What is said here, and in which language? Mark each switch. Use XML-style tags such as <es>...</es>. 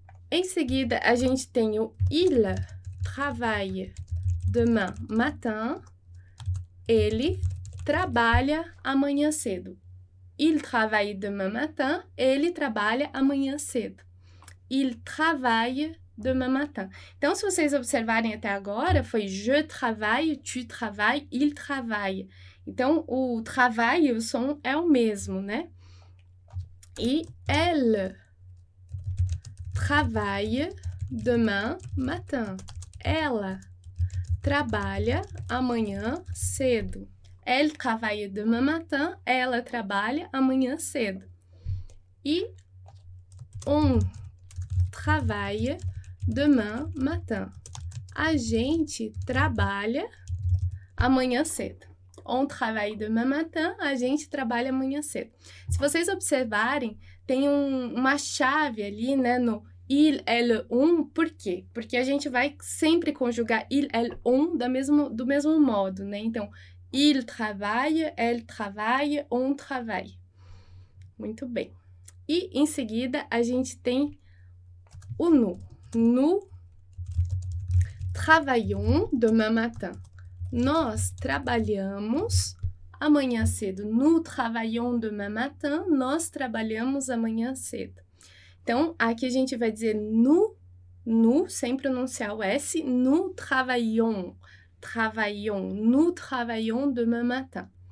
<pt>Em seguida, a gente tem o</pt> <fr>il travaille demain matin,</fr> <pt>ele trabalha amanhã cedo.</pt> <fr>Il travaille demain matin,</fr> <pt>ele trabalha amanhã cedo.</pt> <fr>Il travaille demain matin.</fr> <pt>Então, se vocês observarem até agora, foi</pt> <fr>je travaille, tu travailles, il travaille.</fr> <pt>Então, o travail, o som é o mesmo, né?</pt> <fr>E elle travaille demain matin.</fr> <pt>Ela trabalha amanhã cedo.</pt> <fr>Elle travaille demain matin,</fr> <pt>ela trabalha amanhã cedo. E</pt> <fr>on travaille demain matin.</fr> <pt>A gente trabalha amanhã cedo.</pt> <fr>On travaille demain matin,</fr> <pt>a gente trabalha amanhã cedo. Se vocês observarem, tem uma chave ali, né, no il, elle, on, por quê? Porque a gente vai sempre conjugar il, elle, on do mesmo modo, né? Então,</pt> <fr>il travaille, elle travaille, on travaille.</fr> <pt>Muito bem. E em seguida, a gente tem o nu. Nu.</pt> <fr>Travaillons demain matin.</fr> <pt>Nós trabalhamos amanhã cedo.</pt> <fr>Nous travaillons demain matin.</fr> <pt>Nós trabalhamos amanhã cedo. Então, aqui a gente vai dizer nous, sem pronunciar o S.</pt> <fr>Nous travaillons. Travaillons. Nous travaillons demain matin.</fr>